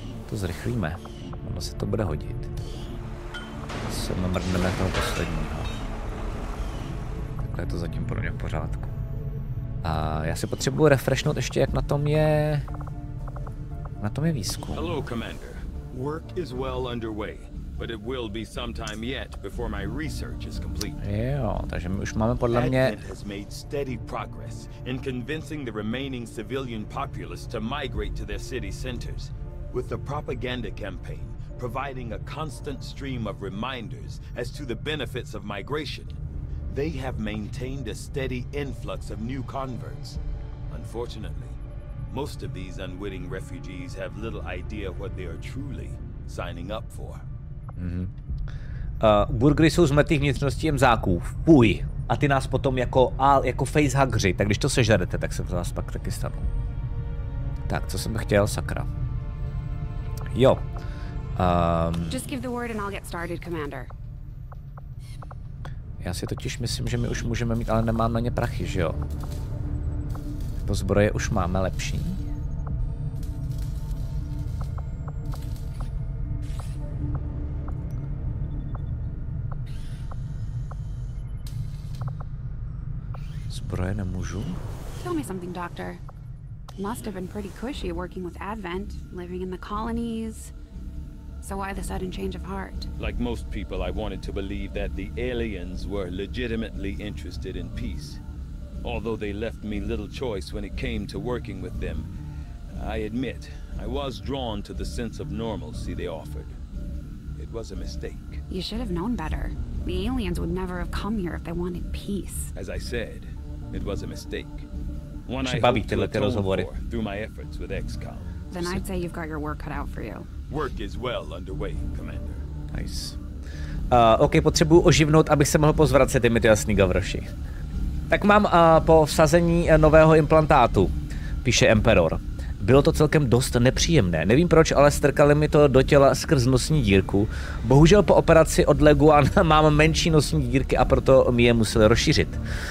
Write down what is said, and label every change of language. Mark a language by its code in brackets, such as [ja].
[cs] To zrychlíme. Ono se to bude hodit. Se namrdneme toho posledního. Takhle je to zatím pro mě v pořádku. A já si potřebuji refreshnout ještě, jak na tom je výzkum. [en] Hello, Commander. Work is well underway, but it will be some time yet before my research is complete. [cs] Jo, takže my už máme podle mě... [en] Advent has made steady progress in convincing the remaining civilian populace to migrate to their city centers. With the propaganda campaign providing a constant stream of reminders as to the benefits of migration, they have maintained a steady influx of new converts. Unfortunately, most of these unwitting refugees have little idea what they are truly signing up for. Mm-hmm. [cs] Burgery jsou zmetých vnitřností jemzáků. Fuj! A ty nás potom jako, jako facehuggři, tak když to sežerete, tak se v nás pak taky stanou. Tak, co jsem chtěl, sakra. Jo. [en] Just give the word and I'll get started, Commander. [cs] Já si totiž myslím, že my už můžeme mít, ale nemám na ně prachy, že jo? To zbroje už máme lepší. Zbroje nemůžu. [en] Tell me something, Doctor. Must have been pretty cushy working with Advent, living in the colonies. So why the sudden change of heart? Like most people, I wanted to believe that the aliens were legitimately interested in peace. Although they left me little choice when it came to working with them, I admit, I was drawn to the sense of normalcy they offered. It was a mistake. You should have known better. The aliens would never have come here if they wanted peace. As I said, it was a mistake. One I hope to atone for through my efforts with XCOM. Then I'd say you've got your work cut out for you. Work is well underway, Commander. Nice. [cs] Okay, potřebuji oživnout, abych se mohl pozvracet, je mi to jasný, gavroši. Tak mám po vsazení nového implantátu, píše Emperor. Bylo to celkem dost nepříjemné. Nevím proč, ale strkali mi to do těla skrz nosní dírku. Bohužel po operaci od Leguan mám menší nosní dírky a proto mi je museli rozšířit.